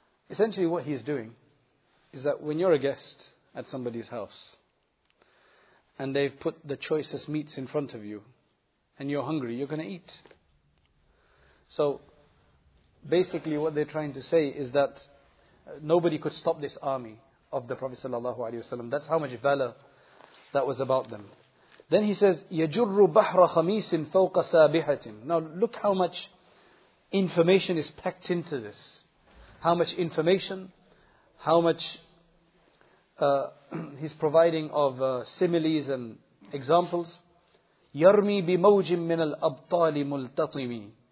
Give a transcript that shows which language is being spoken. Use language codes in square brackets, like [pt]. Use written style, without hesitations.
[en] Essentially what he's doing is that when you're a guest at somebody's house and they've put the choicest meats in front of you and you're hungry, you're going to eat. So basically what they're trying to say is that nobody could stop this army of the Prophet sallallahu alaihi wasallam. That's how much valor that was about them. Then he says, [ar] يَجُرُّ بَحْرَ خَمِيسٍ فَوْقَ سَابِحَةٍ. [en] Now look how much information is packed into this. How much information, how much he's providing of similes and examples. [ar] يَرْمِي بِمَوْجٍ مِّنَ الْأَبْطَالِ مُلْتَطِمِي.